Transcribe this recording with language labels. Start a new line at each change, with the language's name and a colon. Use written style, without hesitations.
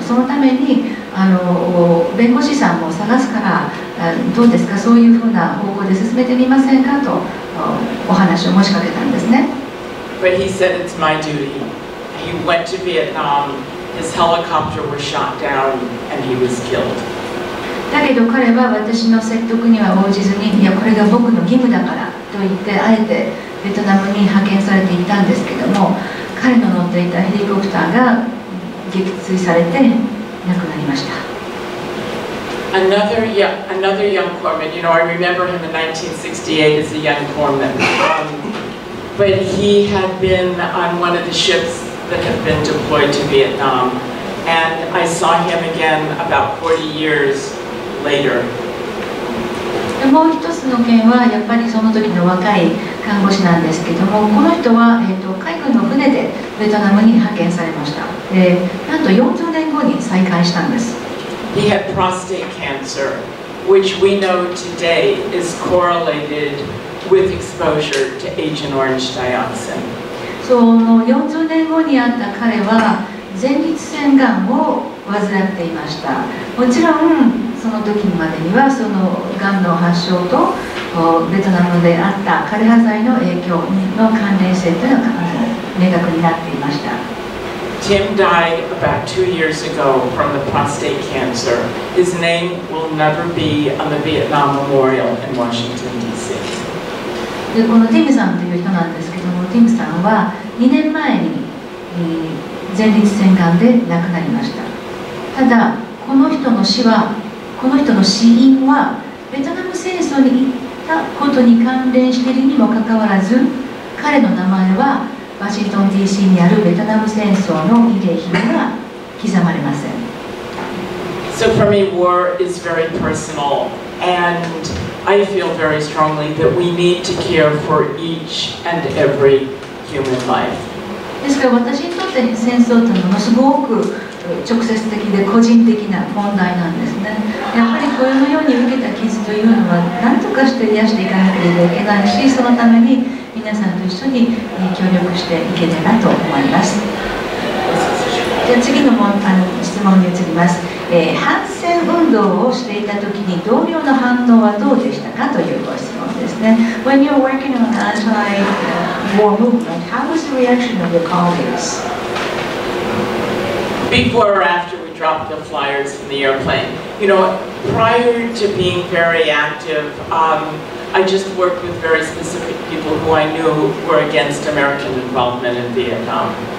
Japanese: そのためにあの弁護士さんも探すから、どうですか、そういうふうな方向で進めてみませんかとお話を申しかけたんですね。
English: But he said it's my duty. He went to Vietnam. His helicopter was shot down, and he was killed.
Japanese: だけど彼は私の説得には応じずに、いやこれが僕の義務だからと言ってあえてベトナムに派遣されていたんですけども、彼の乗っていたヘリコプターが撃墜されて亡くなりました。
English: Another young corpsman, you know, I remember him in 1968 as a young corpsman, but he had been on one of the ships that had been deployed to Vietnam, and I saw him again about 40 yearslater.
Japanese: もう一つの件はやっぱりその時の若い看護師なんですけども、この人は、海軍の船でベトナムに派遣されました。でなんと40年後に再会したんです。
English: He had prostate cancer, which we know today is correlated with exposure to Agent Orange dioxin.
Japanese: その40年後にあった彼は前立腺がんを患っていました。もちろんその時までにはそのがんの発症とベトナムであった枯葉剤の影響の関連性というのが明確になっていました。
English: Tim died about 2 years ago from the prostate cancer. His name will never be on the Vietnam Memorial in Washington D.C.
Japanese: でこのティムさんという人なんですけども、ティムさんは2年前に前立腺がんで亡くなりました。ただこの人の死はこの人の死因はベトナム戦争に行ったことに関連しているにもかかわらず、彼の名前はワシントン D.C. にあるベトナム戦争の慰霊碑には刻まれません。
English: So for me, war is very personal, and I feel very strongly that we need to care for each and every human life.
Japanese: ですから私にとって戦争というのはすごく直接的で個人的な問題なんですね。やはりこのように受けた傷というのは何とかして癒していかなければいけないし、そのために皆さんと一緒に協力していけたらと思います。じゃあ次 の, もあの質問に移ります。反戦運動をしていた時に同僚の反応はどうでしたかというご質問ですね。
English: When you're working on an anti-war movement, how was the reaction of your colleagues? Before or after we dropped the flyers from the airplane? You know, prior to being very active, I just worked with very specific people who I knew were against American involvement in Vietnam.